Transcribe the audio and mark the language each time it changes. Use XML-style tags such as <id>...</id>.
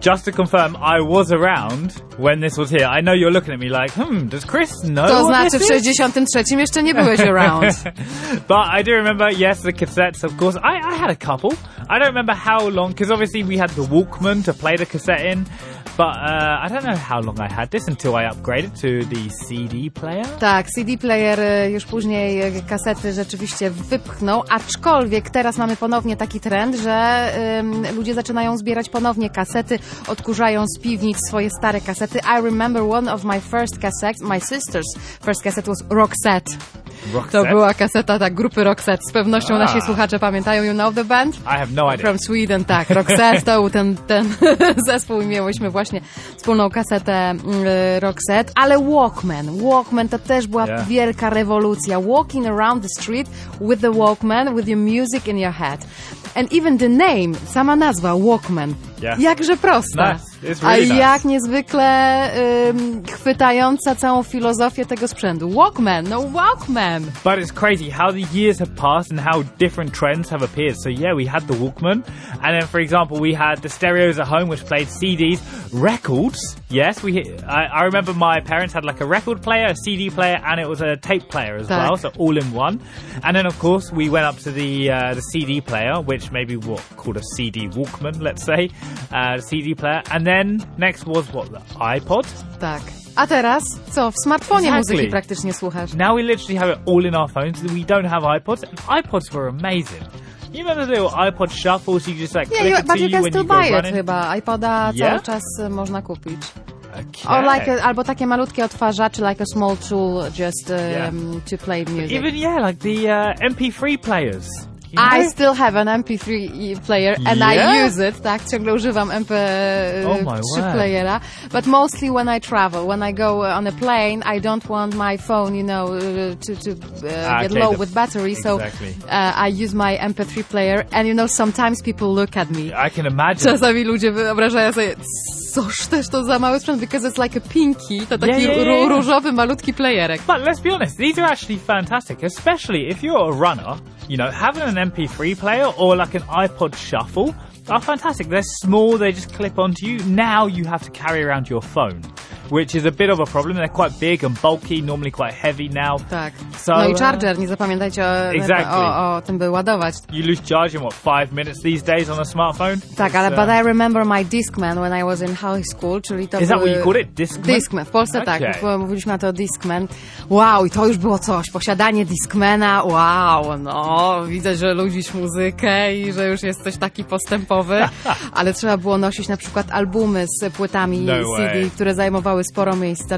<en>Just to confirm, I was around when this was here. I know you're looking at me like, does Chris know?</en> <pl>To znaczy w 63 jeszcze nie byłeś around.</pl> <en>But I do remember, yes, the cassettes, of course. I had a couple. I don't remember how long, because obviously we had the Walkman to play the cassette in. But I don't know how long I had this until I upgraded to the CD player.</en> <pl>Tak, CD player już później kasety rzeczywiście wypchnął, aczkolwiek teraz mamy ponownie taki trend, że ludzie zaczynają zbierać ponownie kasety, odkurzają z piwnic swoje stare kasety.</pl> <en>I remember one of my first cassettes, my sister's first cassette was Roxette. Roxette?</en> <pl>To była kaseta, tak, grupy Roxette. Z pewnością nasi słuchacze pamiętają.</pl> <en>You know the band? I have no idea. From Sweden, tak.</en> <pl>Roxette to był ten zespół i mieliśmy właśnie wspólną kasetę Roxette. Ale Walkman. Walkman to też była wielka rewolucja.</pl> <en>Walking around the street with the Walkman, with your music in your head. And even the name,</en> <pl>sama nazwa Walkman.</pl> <en>Yeah.</en> <pl>Jakże prosta.</pl> <en>Nice. It's really</en> <pl>a jak niezwykle chwytająca całą filozofię tego sprzętu. Walkman, no Walkman.</pl> <en>But it's crazy how the years have passed and how different trends have appeared. So yeah, we had the Walkman. And then for example, we had the stereos at home which played CDs, records. Yes, I remember my parents had like a record player, a CD player and it was a tape player as</en> <pl>tak.</pl> <en>well. So all in one. And then of course, we went up to the CD player, which maybe what called a CD Walkman, let's say. CD player, and then next was what, the iPod?</en> <pl>Tak. A teraz co, w smartfonie muzyki praktycznie słuchasz?</pl> <en>Now we literally have it all in our phones. We don't have iPods. iPods were amazing. You remember the little iPod shuffles? You just like click it to you when you go running. But you can still buy it, chyba.</en> <pl>iPoda cały czas można kupić.</pl> <en>Okay. Or like</en> <pl>albo takie malutkie odtwarzacze,</pl> <en>like a small tool just to play music. Even like the MP3 players. Yeah. I still have an MP3 player and I use it,</en> <pl>tak, ciągle używam MP3 playera,</pl> <en>but mostly when I travel, when I go on a plane, I don't want my phone, you know, to get low with battery, exactly. So I use my MP3 player and, you know, sometimes people look at me. I can imagine.</en> <pl>Czasami ludzie wyobrażają sobie, coż też to za mały sprzęt,</pl> <en>because it's like a pinky,</en> <pl>to taki różowy, malutki playerek.</pl> <en>But let's be honest, these are actually fantastic, especially if you're a runner. You know, having an MP3 player or like an iPod shuffle are fantastic. They're small, they just clip onto you. Now you have to carry around your phone, which is a bit of a problem. They're quite big and bulky, normally quite heavy now.</en> <pl>Tak.</pl> <en>So,</en> <pl>no i charger, nie zapamiętajcie o tym, by ładować.</pl> <en>You lose charge in, 5 minutes these days on a smartphone? Tak, but I remember my Discman when I was in high school,</en> <pl>czyli to</pl> <en>is</en> <pl>był...</pl> <en>that what you called it? Discman?</en> <pl>Discman, w Polsce tak, mówiliśmy na to Discman. Wow, i to już było coś, posiadanie Discmana, wow, no, widzę, że lubisz muzykę i że już jesteś taki postępowy, ale trzeba było nosić na przykład albumy z płytami CD, które zajmowały sporo miejsca.</pl>